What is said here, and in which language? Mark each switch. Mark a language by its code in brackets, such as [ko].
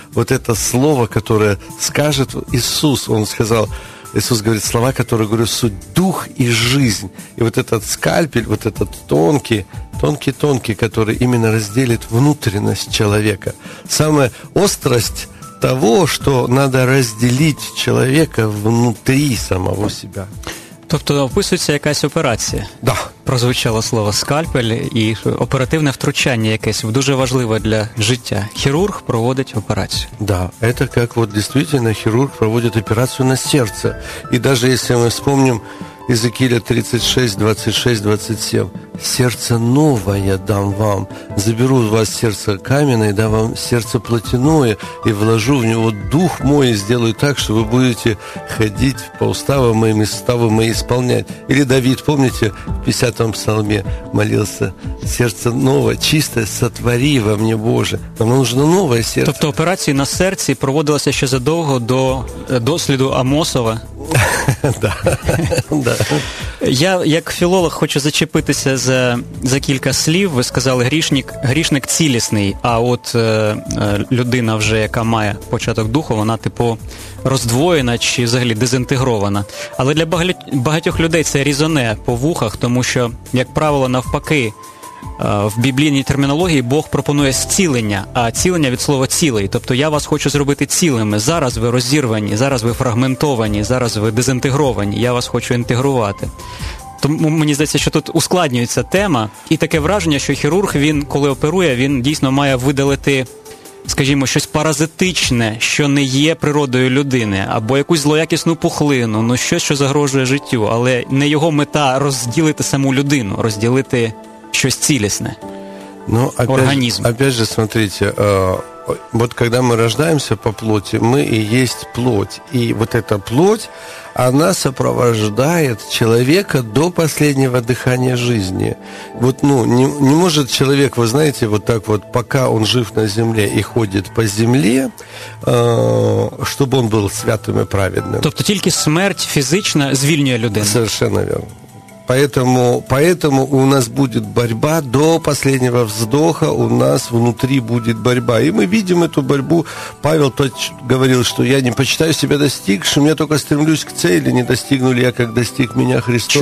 [ru] Вот это слово, которое скажет Иисус, он сказал, Иисус говорит, слова, которые говорю, суть дух и жизнь. И вот этот скальпель, вот этот тонкий-тонкий, который именно разделит внутренность человека. Самая острость того, что надо разделить человека внутри самого себя. [uk] Тобто описується якась операція. [ru] Да. [uk] Прозвучало слово скальпель і оперативне втручання якесь, дуже важливе для життя. Хірург проводить операцію. [ru] Да, это как вот действительно хирург проводит операцию на сердце. И даже если мы вспомним Иезекииля 36:26-27, сердце новое дам вам, заберу у вас сердце каменное, дам вам сердце плотяное, и вложу в него дух мой, и сделаю так, что вы будете ходить по уставам моим и ставам мои исполнять. Или Давид, помните, в 50-м псалме молился, сердце новое, чистое, сотвори во мне, Боже. Нам нужно новое сердце. Тобто операция на сердце проводилась еще задолго до досліду Амосова. [uk] Я, як філолог, хочу зачепитися за кілька слів. Ви сказали, грішник цілісний, а от людина вже, яка має початок духу, вона, типу, роздвоєна чи взагалі дезінтегрована. Але для багатьох людей це різоне по вухах, тому що, як правило, навпаки, в біблійній термінології Бог пропонує зцілення, а цілення від слова «цілий». Тобто я вас хочу зробити цілими. Зараз ви розірвані, зараз ви фрагментовані, зараз ви дезінтегровані, я вас хочу інтегрувати. Тому мені здається, що тут ускладнюється тема. І таке враження, що хірург, він, коли оперує, він дійсно має видалити, скажімо, щось паразитичне, що не є природою людини, або якусь злоякісну пухлину, ну щось, що загрожує життю. Але не його мета розділити саму людину, розділити щось цілісне. Ну, організм. [ru] Опять же, смотрите, вот когда мы рождаемся по плоти, мы и есть плоть. И вот эта плоть, она сопровождает человека до последнего дыхания жизни. Вот, ну, не может человек, вы знаете, вот так вот, пока он жив на земле и ходит по земле, чтобы он был святым и праведным. [uk] Тобто тільки смерть фізично звільнює людину. [ru] Совершенно верно. Поэтому у нас будет борьба до последнего вздоха, у нас внутри будет борьба. И мы видим эту борьбу. Павел говорил, что я не почитаю себя достигшим, я только стремлюсь к цели, не достигну ли я, как достиг меня Христос.